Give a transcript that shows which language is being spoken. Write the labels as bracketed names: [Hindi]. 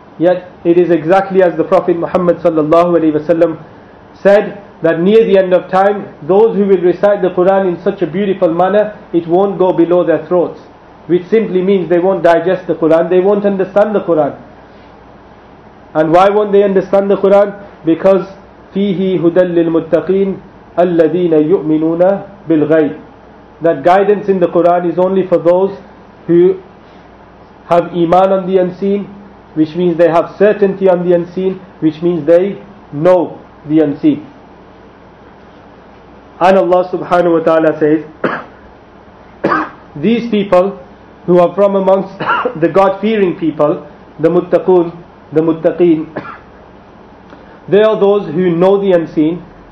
[English] Yet it is exactly as the Prophet Muhammad sallallahu alaihi wasallam said, that near the end of time, those who will recite the Quran in such a beautiful manner, it won't go below their throats. Which simply means they won't digest the Quran, they won't understand the Quran. And why won't they understand the Quran? Because [Arabic] فِيهِ هُدَى لِلْمُتَّقِينَ الَّذِينَ يُؤْمِنُونَ بِالْغَيْبِ. [English] That guidance in the Quran is only for those who have Iman on the unseen, which means they have certainty on the unseen, which means they know the unseen. And Allah subhanahu wa ta'ala says, these people who are from amongst the God-fearing people, the muttaqun, the muttaqeen, they are those who know the unseen.